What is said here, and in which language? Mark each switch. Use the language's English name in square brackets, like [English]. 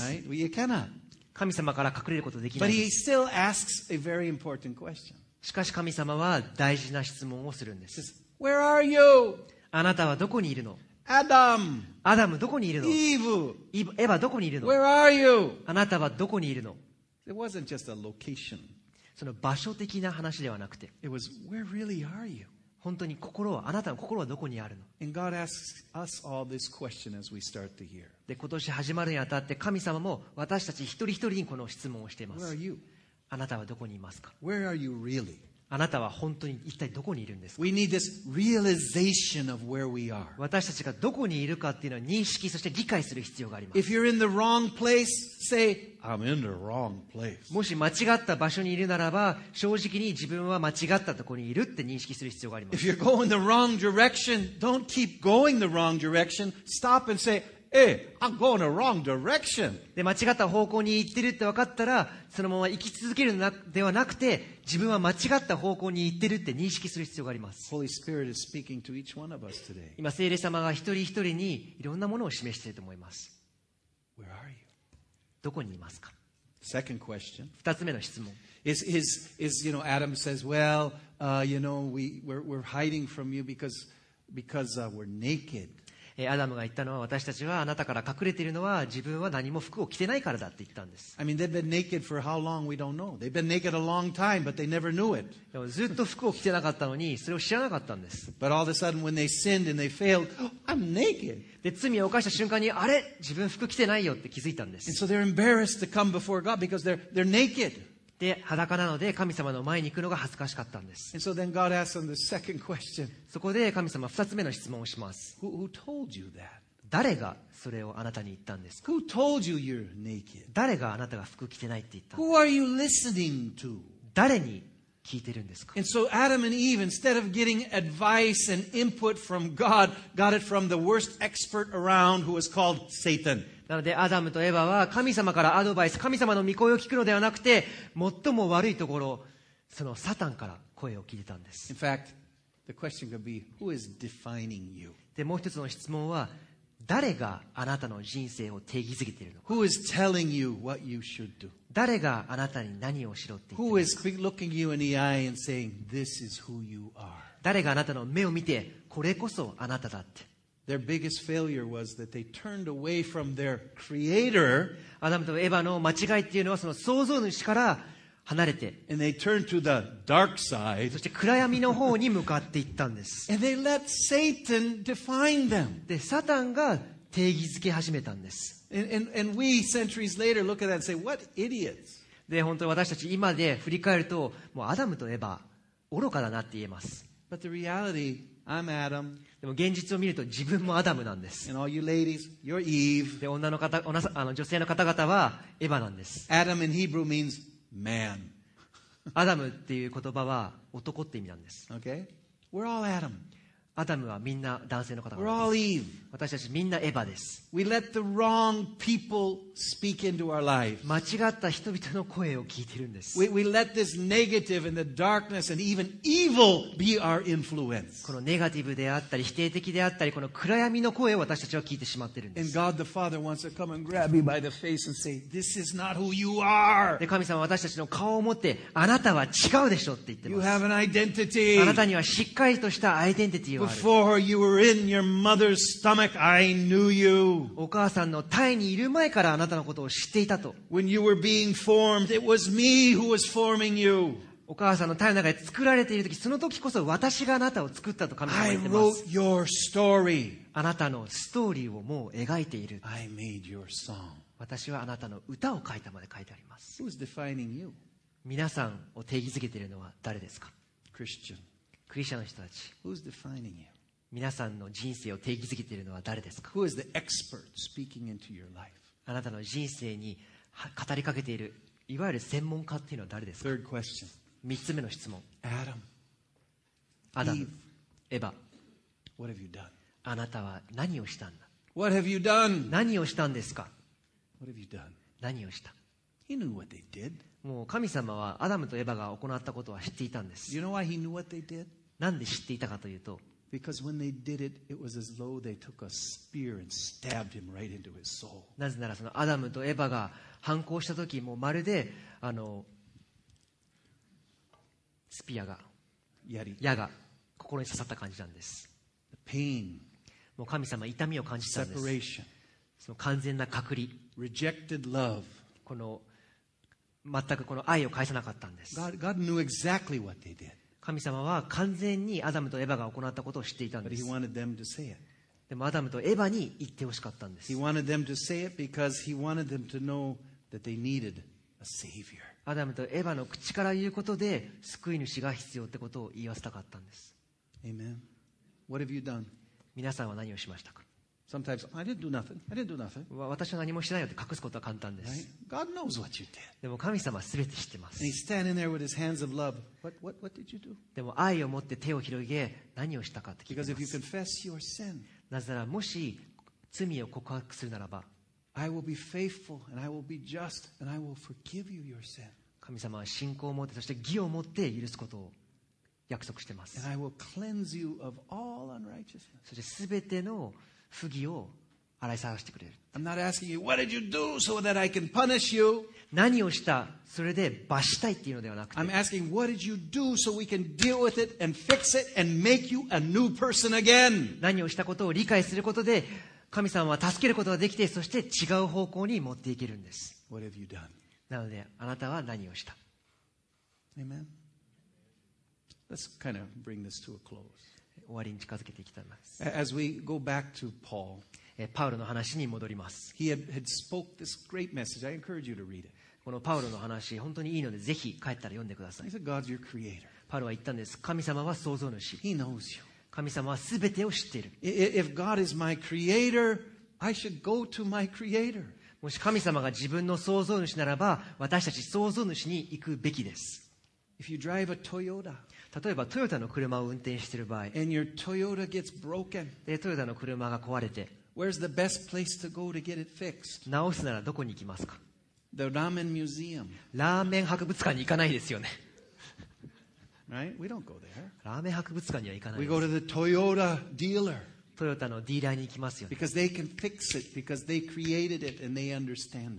[English] Right? Well, you cannot. [Japanese] 神様から隠れることできないんです。 [English] But he still asks a very important question. [Japanese] しかし神様は大事な質問をするんです。 [English] Where are you? [Japanese] あなたはどこにいるの？ [English] Adam. [Japanese] アダムどこにいるの？ [English] Eve. [Japanese] エヴァどこにいるの？ [English] Where are you? [Japanese] あなたはどこにいるの？ [English] It wasn't just a location. [Japanese] その場所的な話ではなくて、 [English] It was where really are you? [Japanese] 本当に心は、あなたの心はどこにあるの？ [English] And God asks us all this question as we start the year. [Japanese] で、今年始まるにあたって神様も私たち一人一人にこの質問をしています。 [English] Where are you? [Japanese] あなたはどこにいますか。 [English] Where are you really? [Japanese] あなたは本当に一体どこにいるんですか。 [English] We need this realization of where we are. [Japanese] 私たちがどこにいるかっていうのを認識そして理解する必要があります。 [English] If you're in the wrong place, say, I'm in the wrong place. [Japanese] もし間違った場所にいるならば、正直に自分は間違ったところにいるって認識する必要があります。 [English] If you're going the wrong direction, don't keep going the wrong direction. Stop and say,Hey, I'm going the wrong direction. [Japanese] で、間違った方向に行ってるって分かったら、そのまま行き続けるのではなくて、自分は間違った方向に行ってるって認識する必要があります。 [English] Holy Spirit is speaking to each one of us today. [Japanese] 今、聖霊様が一人一人にいろんなものを示していると思います。 [English] Where are you? [Japanese] どこにいますか？ [English] Second question. [Japanese] 二つ目の質問。 [English] Is you know, Adam says, well, you know, we're hiding from you because we're naked. [Japanese] アダムが言ったのは私たちはあなたから隠れているのは自分は何も服を着てないからだって言ったんです。 [English] I mean, they've been naked for how long? We don't know. They've been naked a long time, but they never knew it. [Japanese] でもずっと服を着てなかったのにそれを知らなかったんです。 [English] But all of a sudden, when they sinned and they failed, I'm naked. [Japanese] で、罪を犯した瞬間にあれ自分服着てないよって気づいたんです。 [English] And so they're embarrassed to come before God because they're naked. [Japanese] で、裸なので神様の前に行くのが恥ずかしかったんです。 [English] And so then God asked them the second question. [Japanese] そこで神様二つ目の質問をします。 [English] Who told you that? [Japanese] 誰がそれをあなたに言ったんですか？ [English] Who told you you're naked? [Japanese] 誰があなたが服着てないって言ったんですか？ [English] Who are you listening to? [Japanese] 誰に聞いてるんですか？ [English] And so Adam and Eve, instead of getting advice and input from God, got it from the worst expert around who was called Satan. [Japanese] なのでアダムとエヴァは神様からアドバイス、神様の御声を聞くのではなくて、最も悪いところ、そのサタンから声を聞いてたんです。 [English] In fact, the question could be, who is defining you? [Japanese] で、もう一つの質問は、誰があなたの人生を定義づけているのか。 [English] Who is telling you what you should do? [Japanese] 誰があなたに何をしろって言っているのか。 [English] Who is looking you in the eye and saying, this is who you are? [Japanese] 誰があなたの目を見て、これこそあなただって。 [English] Their biggest failure was that they turned away from their creator. [Japanese] アダムとエヴァの間違いっていうのはその創造主から離れて。 [English] And they turned to the dark side. [Japanese] そして暗闇の方に向かっていったんです。 [English] And they let Satan define them. [Japanese] で、サタンが定義づけ始めたんです。 [English] And we centuries later look at that and say, what idiots. [Japanese] で、本当に私たち今で振り返ると、もうアダムとエヴァ、愚かだなって言えます。 [English] But the reality, I'm Adam. [Japanese] でも現実を見ると自分もアダムなんです。 [English] And all you ladies, you're Eve. [Japanese] で、女の方、女性の方々はエヴァなんです。 [English] Adam in Hebrew means man. [Japanese] アダムっていう言葉は男って意味なんです。 [English] Okay? We're all Adam. [Japanese] アダムはみんな男性の方々です。 [English] We're all Eve. [Japanese] 私たちみんなエヴァです。 [English] We let the wrong people speak into our lives. [Japanese] 間違った人々の声を聞いてるんです。 [English] We let this negative and the darkness and even evil be our influence. [Japanese] このネガティブであったり否定的であったりこの暗闇の声を私たちは聞いてしまってるんです。 [English] And God the Father wants to come and grab me by the face and say, "This is not who you are." [Japanese] で、神様は私たちの顔を持ってあなたは違うでしょって言ってます。 [English] You have an identity. [Japanese] あなたにはしっかりとしたアイデンティティがある。 [English] Before you were in your mother's stomach, I knew you. [Japanese] お母さんの胎にいる前からあなたのことを知っていたと。 [English] When you were being formed, it was me who was forming you. [Japanese] お母さんの胎の中で作られているとき、そのときこそ私があなたを作ったと神様は言ってます。 [English] I wrote your story. [Japanese] あなたのストーリーをもう描いている。 [English] I made your song. [Japanese] 私はあなたの歌を書いたまで書いてあります。 [English] Who's defining you? [Japanese] 皆さんを定義づけているのは誰ですか？ [English] Christian. [Japanese] クリスチャンの人たち。 [English] Who's defining you? [Japanese] 皆さんの人生を定義づけているのは誰ですか？ [English] Who is the expert speaking into your life? [Japanese] あなたの人生に語りかけている、いわゆる専門家っていうのは誰ですか？ [English] Third question. [Japanese] 3つ目の質問。 [English] Adam, [Japanese] アダム、エヴァ、 [English] What have you done? [Japanese] あなたは何をしたんだ。 [English] What have you done? [Japanese] 何をしたんですか。 [English] What have you done? [Japanese] 何をした。 [English] He knew what they did. [Japanese] もう神様はアダムとエヴァが行ったことは知っていたんです。 [English] You know why he knew what they did? [Japanese] なんで知っていたかというと、 [English] Because when they did it, it was as though they took a spear and stabbed him right into his soul. [Japanese] なぜならそのアダムとエヴァが反抗した時もまるでスピアが矢が心に刺さった感じなんです。 [English] The pain, [Japanese] もう神様痛みを感じたんです。 [English] Separation, [Japanese] その完全な隔離、 [English] Rejected love, [Japanese] この全くこの愛を返さなかったんです。 [English] God knew exactly what they did. [Japanese] 神様は完全にアダムとエヴァが行ったことを知っていたんです。 [English] But he wanted them to say it. [Japanese] でもアダムとエヴァに言ってほしかったんです。 [English] He wanted them to say it because he wanted them to know that they needed a savior. [Japanese] アダムとエヴァの口から言うことで救い主が必要ってことを言わせたかったんです。 [English] Amen. What have you done? [Japanese] 皆さんは何をしましたか。 [English] Sometimes I didn't do nothing. I didn't do nothing. [Japanese] 私は何もしないよって隠すことは簡単です。 [English] Right? God knows what you did. [Japanese] でも神様はすべて知ってます。 [English] And he's standing there with his hands of love. What did you do? [Japanese] でも愛を持って手を広げ何をしたかって聞いてます。 [English] Because if you confess your sin. [Japanese] なぜならもし罪を告白するならば、 [English] I will be faithful and I will be just and I will forgive you your sin. [Japanese] 神様は信仰を持ってそして義を持って許すことを約束しています。 [English] And I will cleanse you of all unrighteousness. [Japanese] そして全ての不義を洗い去してくれる。 [English] I'm not asking you what did you do so that I can punish you. [Japanese] 何をしたそれで罰したいっていうのではなくて、 [English] I'm asking what did you do so we can deal with it and fix it and make you a new person again. [Japanese] 何をしたことを理解することで神様は助けることができて、そして違う方向に持っていけるんです。 [English] What have you done? [Japanese] なのであなたは何をした。 [English] Amen. Let's kind of bring this to a close. [Japanese] 終わりに近づけていきたいです。 [English] As we go back to Paul. [Japanese] パウロの話に戻ります。 [English] He had spoke this great message. I encourage you to read it. [Japanese] このパウロの話、本当にいいので、ぜひ帰ったら読んでください。 [English] He said, God's your creator. [Japanese] パウロは言ったんです。神様は創造主。 [English] He knows you. [Japanese] 神様はすべてを知っている。 [English] If God is my creator, I should go to my creator. [Japanese] もし神様が自分の創造主ならば、私たち創造主に行くべきです。 [English] If you drive a Toyota, [Japanese] 例えばトヨタの車を運転している場合、 [English] and your Toyota gets broken, [Japanese] でトヨタの車が壊れて、 [English] Where's the best place to go to get it fixed? [Japanese] 直すならどこに行きますか? [English] The ramen museum. [Japanese] ラーメン博物館に行かないですよね。 [English] Right? We don't go there. [Japanese] ラーメン博物館には行かないです。 [English] We go to the Toyota dealer. [Japanese] トヨタのディーラーに行きますよね。 [English] Because they can fix it, because they created it and they understand it.